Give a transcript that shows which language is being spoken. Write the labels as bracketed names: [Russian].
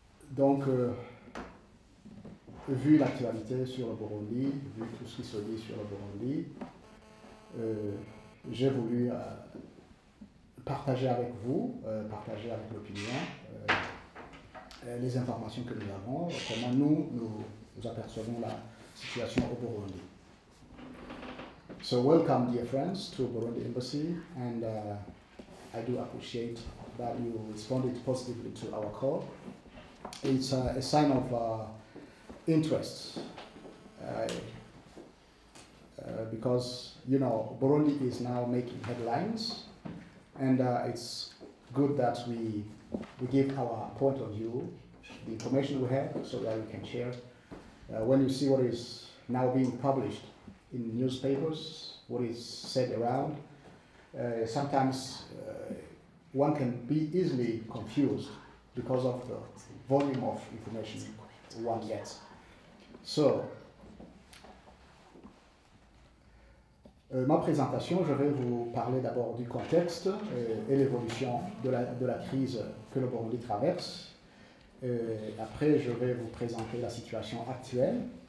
[French] Donc, vu l'actualité sur le Burundi, vu tout ce qui se dit sur le Burundi, j'ai voulu partager avec vous, partager avec l'opinion, les informations que nous avons, comment nous apercevons la situation au Burundi. [English] So welcome, dear friends, to Burundi Embassy, and I do appreciate that you responded positively to our call. It's a sign of interest because, you know, Burundi is now making headlines, and it's good that we give our point of view, the information we have, so that we can share. When you see what is now being published in newspapers, what is said around, sometimes one can be easily confused because of the volume of information one gets. [French] So, ma présentation, je vais vous parler d'abord du contexte et l'évolution de la crise que le Burundi traverse. Après, je vais vous présenter la situation actuelle.